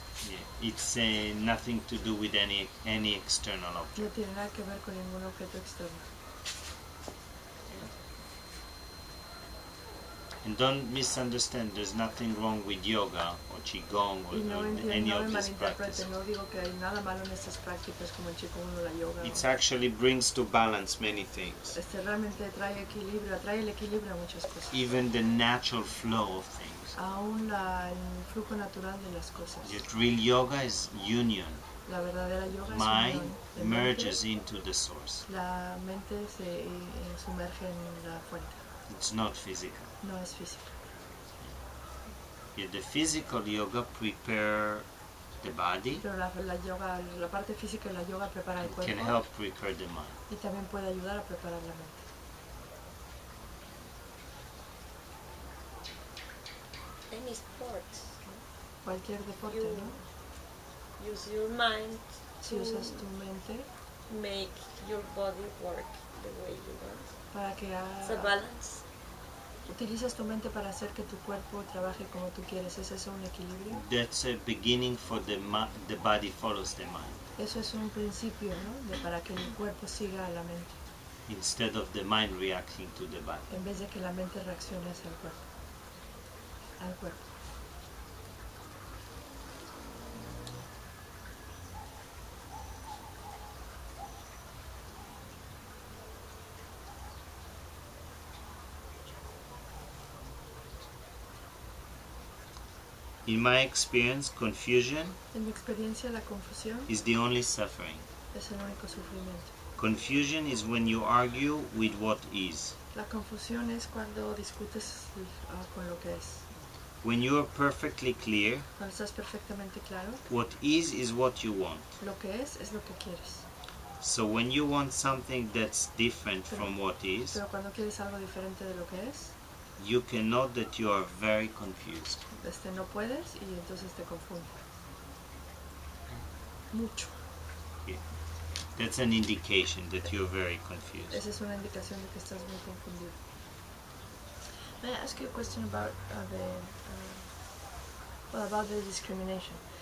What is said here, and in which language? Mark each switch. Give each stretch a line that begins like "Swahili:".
English: Yeah, it's nothing to do with any external object.
Spanish: No tiene nada que ver con ningún objeto externo.
English: And don't misunderstand, there's nothing wrong with yoga or qigong or any of these practices.
Spanish: No digo que hay nada malo en estas prácticas como el qigong o la yoga.
English: It actually brings to balance many things.
Spanish: Este realmente trae el equilibrio a muchas cosas.
English: Even the natural flow of things.
Spanish: Aún el flujo natural de las cosas.
English: Yet real yoga is union.
Spanish: La verdadera yoga es
English: mind
Spanish: unión.
English: Mind merges into the source.
Spanish: La mente se sumerge en la fuente.
English: It's not physical.
Spanish: No es físico.
English: Yeah, the physical yoga prepare the body.
Spanish: Pero la yoga, la parte física de la yoga prepara el cuerpo.
English: Can help prepare the mind.
Spanish: Y también puede ayudar a preparar la mente.
English: Any sports.
Spanish: Cualquier deporte,
English: you
Spanish: ¿no?
English: Use your mind.
Spanish: Si usas tu mente.
English: Make your body work the way you want.
Spanish: Para que
English: it's a balance.
Spanish: Utilizas tu mente para hacer que tu cuerpo trabaje como tú quieres. ¿Es eso un equilibrio?
English: That's a beginning for the body follows the mind.
Spanish: Eso es un principio, ¿no? De para que el cuerpo siga a la mente.
English: Instead of the mind reacting to the body.
Spanish: En vez de que la mente reaccione hacia el cuerpo. Al cuerpo.
English: In my experience, confusion
Spanish: en mi experiencia, la confusión
English: is the only suffering.
Spanish: Es el único sufrimiento.
English: Confusion is when you argue with what is.
Spanish: La confusión es cuando discutes con lo que es.
English: When you are perfectly clear,
Spanish: cuando estás perfectamente claro,
English: what is what you want.
Spanish: Lo que es lo que quieres.
English: So when you want something that's different from what is,
Spanish: pero cuando quieres algo diferente de lo que es,
English: you can know that you are very confused.
Spanish: No puedes y entonces te confundes. Mucho.
English: Yeah. That's an indication that you're very confused.
Spanish: Esa es una indicación de que estás muy confundido.
English: May I ask you a question about about the discrimination?